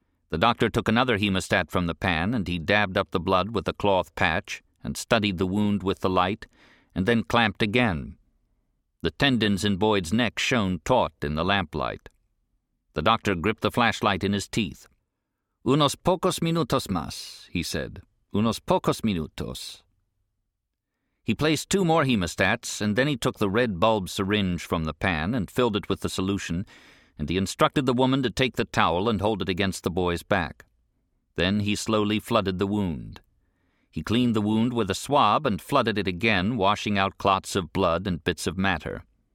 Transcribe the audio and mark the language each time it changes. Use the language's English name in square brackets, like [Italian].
[English] The doctor took another hemostat from the pan, and he dabbed up the blood with a cloth patch and studied the wound with the light, and then clamped again. The tendons in Boyd's neck shone taut in the lamplight. The doctor gripped the flashlight in his teeth. [Spanish] Unos pocos minutos más, [English] he said. [Spanish] Unos pocos minutos. [English] He placed two more hemostats, and then he took the red bulb syringe from the pan and filled it with the solution, and he instructed the woman to take the towel and hold it against the boy's back. Then he slowly flooded the wound. He cleaned the wound with a swab and flooded it again, washing out clots of blood and bits of matter.